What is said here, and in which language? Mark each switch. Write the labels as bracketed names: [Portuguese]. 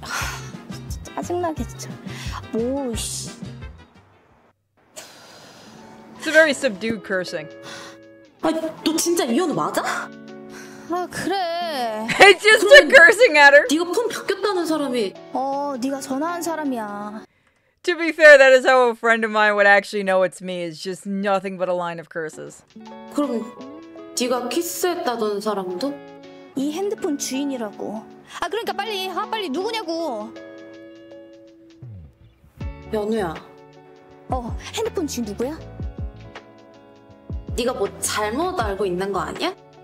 [Korean] 하, 진짜 짜증나게, 진짜. 뭐, 씨. [English] It's a very subdued cursing. [Korean] 아, 너 진짜 이현우 맞아? 아, 그래. [English] It's just a cursing at her. [Korean] 네가 폰 바뀌었다는 사람이. 어, 네가 전화한 사람이야. [English] To be fair, that is how a friend of mine would actually know it's me. It's just nothing but a line of curses. [Korean] 그럼 네가 키스했다던 사람도? 이 핸드폰 주인이라고. 아, 그러니까 빨리, 아, 빨리 누구냐고. 연우야. 어, 핸드폰 주인 누구야? 네가 뭐 잘못 알고 있는 거 아니야?